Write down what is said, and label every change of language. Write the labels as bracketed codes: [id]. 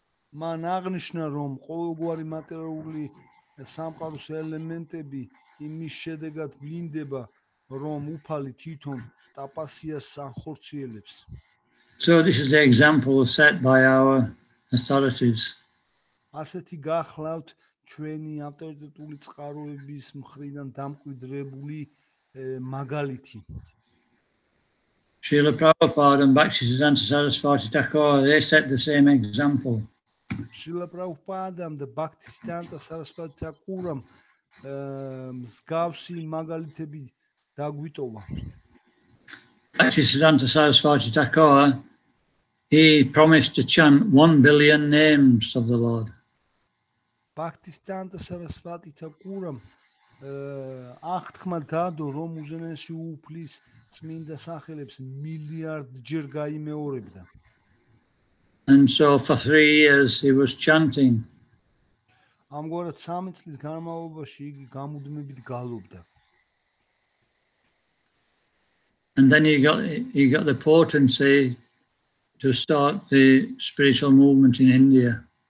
[ka] მან აღნიშნა რომ ყოველგვარი მატერიული სამყაროს ელემენტები იმის შედეგად ვლინდება რომ უფალი თვითონ ტაპასიას სახორციელებს [en] So this is the example set by our authorities [ka] ასეთი გახლავთ ჩვენი ავტორიტეტული წყაროების მხრიდან დამკვიდრებული მაგალითი [en] Srila Prabhupada and Bhaktisiddhanta Saraswati Thakur they set the same example [ka] Srila Prabhupada and Bhaktisiddhanta Saraswati Thakur მსგავსი მაგალითები დაგვიტოვა. [en] Bhaktisiddhanta Saraswati Thakur he promised to chant 1 billion names of the Lord. [ka] Bhaktisiddhanta Saraswati Thakur აღთქმა დადო რომ უზენაესი უფლის წმინდა სახელებს მილიარდჯერ გაიმეორებდა. [en] And so for 3 years he was chanting. [ka] Amgora 3 წლის განმავლობაში იგი გამუდმებით გალობდა. [en] And then he got the potency to start the spiritual movement in India.